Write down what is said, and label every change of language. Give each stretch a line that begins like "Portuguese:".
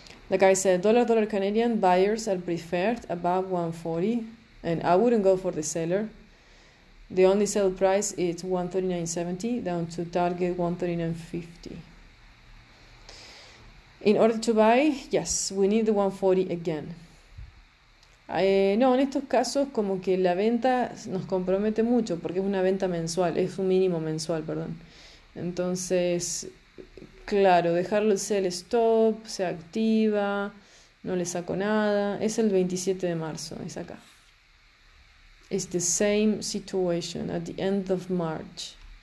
English: Like I said, dollar Canadian buyers are preferred above 140, and I wouldn't go for the seller. The only sell price is 139.70 down to target 139.50. In order to buy, yes, we need the 140 again.
Spanish: No, en estos casos como que la venta nos compromete mucho porque es una venta mensual, es un mínimo mensual, perdón. Entonces, claro, dejarlo el sell stop, se activa, no le saco nada. Es el 27 de marzo, es acá.
English: It's the same situation at the end of March.